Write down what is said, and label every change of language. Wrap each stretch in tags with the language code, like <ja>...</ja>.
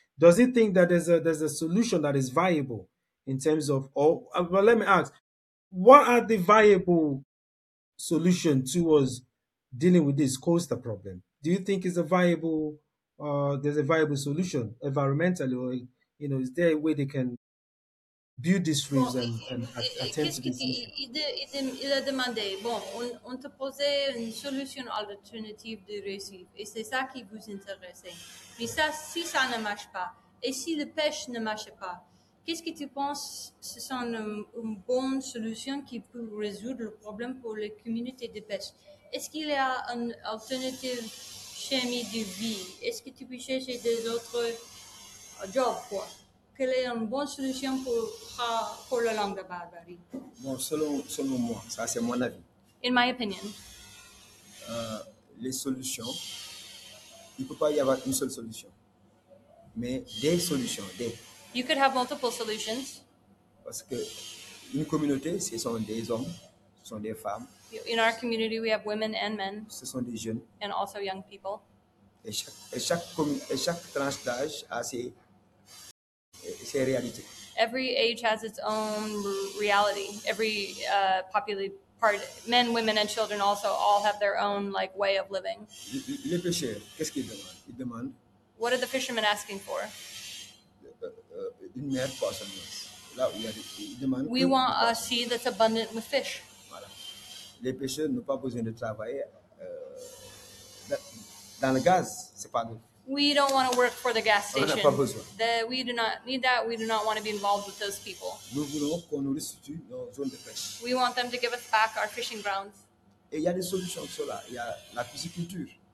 <en>Does he think that there's a solution that is viable in terms of, well, let me ask, what are the viable solutions towards dealing with this coastal problem? Do you think it's a viable, there's a viable solution environmentally, or, you know, is there a way they can build these reefs attend to this issue?</en> <fr>Il a demandé, bon, on te posait une solution alternative de récif, et c'est ça qui vous intéresse. Mais ça, si ça ne marche pas, et si la pêche ne marche pas, qu'est-ce que tu penses ce sont une bonne solution qui peut résoudre le problème pour les communautés de pêche? Est-ce qu'il y a une alternative chemie de vie? Est-ce que tu peux chercher des autres jobs, quoi? Quelle est une bonne solution pour la langue de barbarie? Bon, selon moi, ça c'est mon avis.</fr> <en>In my opinion.</en> <fr>Les solutions, il ne peut pas y avoir une seule solution. Mais des solutions, des.</fr> <en>You could have multiple solutions.</en> <fr>Parce que une communauté, ce sont des hommes, ce sont des femmes.</fr> <en>In our community, we have women and men.</en> <fr>Ce sont des jeunes.</fr> <en>And also young people.</en> <fr>Et chaque tranche d'âge a ses réalités.</fr> <en>Every age has its own reality. Every populated part, men, women, and children also all have their own like way of living.</en> <fr>Les pêcheurs, qu'est-ce qu'ils demandent? Ils demandent.</fr> <en>What are the fishermen asking for?</en> <fr>Une mer poissonneuse. Là, ils demandent.</fr> <en>We want a sea that's abundant with fish.</en> <fr>Les pêcheurs n'ont pas besoin de travailler dans le gaz, c'est pas nous.</fr> <en>We don't want to work for the gas station.</en> <fr>On n'a pas besoin.</fr> <en>We do not need that. We do not want to be involved with those people.</en> <fr>Nous voulons qu'on nous restitue nos zones de pêche.</fr> <en>We want them to give us back our fishing grounds.</en> <fr>Et il y a des solutions pour cela. Il y a la pisciculture.</fr>